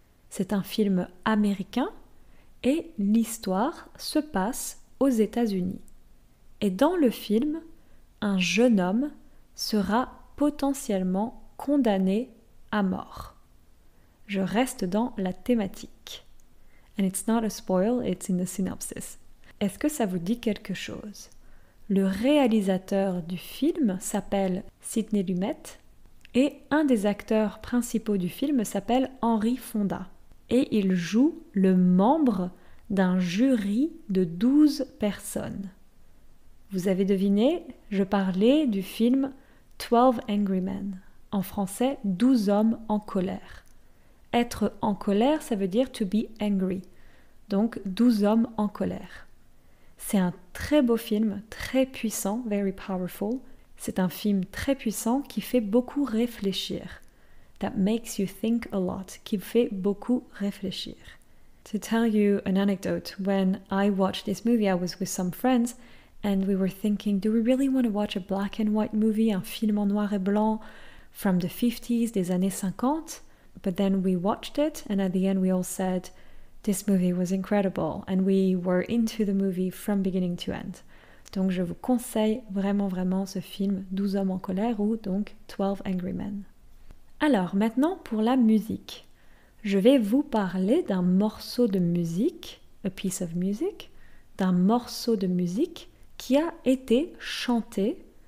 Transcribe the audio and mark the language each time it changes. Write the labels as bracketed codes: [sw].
[fr] C'est un film américain et l'histoire se passe aux États-Unis. Et dans le film, un jeune homme sera potentiellement condamné à mort. Je reste dans la thématique. [en] And it's not a spoil, it's in the synopsis. [fr] Est-ce que ça vous dit quelque chose? Le réalisateur du film s'appelle Sidney Lumet et un des acteurs principaux du film s'appelle Henry Fonda. Et il joue le membre d'un jury de 12 personnes. Vous avez deviné, je parlais du film 12 Angry Men. En français, 12 hommes en colère. Être en colère, ça veut dire [en] to be angry. [fr] Donc, 12 hommes en colère. C'est un très beau film, très puissant, [en] very powerful. [fr] C'est un film très puissant qui fait beaucoup réfléchir. [en] That makes you think a lot, [fr] qui fait beaucoup réfléchir. [en] To tell you an anecdote, when I watched this movie, I was with some friends and we were thinking, do we really want to watch a black and white movie, [fr] un film en noir et blanc? [en] From the 50s, [fr] des années 50, [en] but then we watched it, and at the end we all said, this movie was incredible, and we were into the movie from beginning to end. [fr] Donc je vous conseille vraiment vraiment ce film, 12 hommes en colère, ou donc 12 Angry Men. Alors maintenant pour la musique. Je vais vous parler d'un morceau de musique [en] a piece of music, [fr] d'un morceau de musique qui a été chanté.